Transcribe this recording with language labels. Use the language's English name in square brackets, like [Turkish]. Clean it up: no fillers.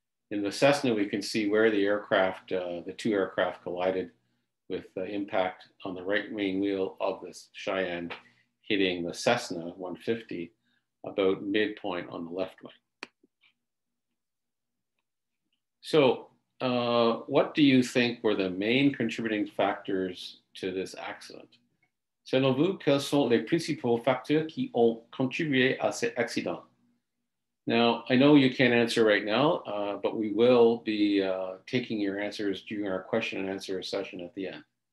[English] In the Cessna, we can see where the aircraft, the two aircraft collided with the impact on the right wing wheel of this Cheyenne hitting the Cessna 150 about midpoint on the left wing. So what do you think were the main contributing factors to this accident? [French] Selon vous, quels sont les principaux facteurs qui ont contribué à cet accident? [English] Now, I know you can't answer right now, but we will be taking your answers during our question and answer session at the end.